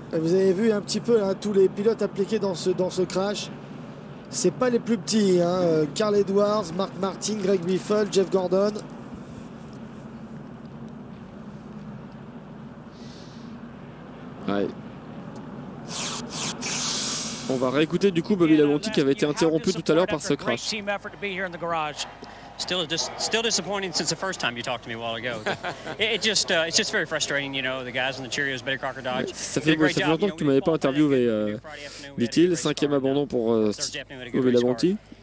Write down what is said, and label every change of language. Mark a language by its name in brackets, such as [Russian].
[French] Vous avez vu un petit peu hein, tous les pilotes impliqués dans ce crash, c'est pas les plus petits hein. Carl Edwards, Mark Martin, Greg Biffle, Jeff Gordon. Ouais. On va réécouter du coup Bobby Labonte qui avait été interrompu tout à l'heure par ce crash. [English] Team effort to be here in the garage. Still disappointing since the first time you talked to me a while ago. It's just very frustrating, you know, the guys on the Cheerios, Betty Crocker Dodge. [French] Ça fait longtemps que tu m'avais pas interviewé, dit-il. Cinquième abandon pour Bobby Labonte.